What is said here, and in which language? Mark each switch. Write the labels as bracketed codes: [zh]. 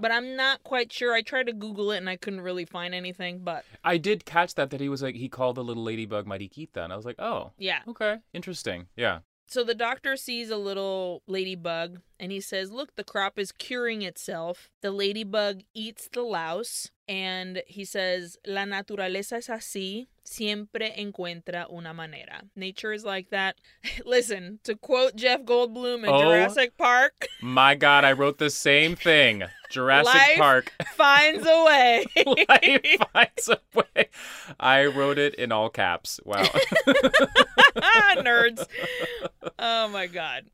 [en] But I'm not quite sure. I tried to Google it and I couldn't really find anything, but I did catch that he was like, he called the little ladybug mariquita. And I was like, oh. Yeah. Okay. Interesting. Yeah. So the doctor sees a little ladybug and he says, look, the crop is curing itself. The ladybug eats the louse. [es] And he says, la naturaleza es así. Siempre encuentra una manera. [en] Nature is like that. Listen, to quote Jeff Goldblum in Jurassic Park. My God, I wrote the same thing. Jurassic Park. Finds a way. Life finds a way. I wrote it in all caps. Wow. Nerds. Oh my God.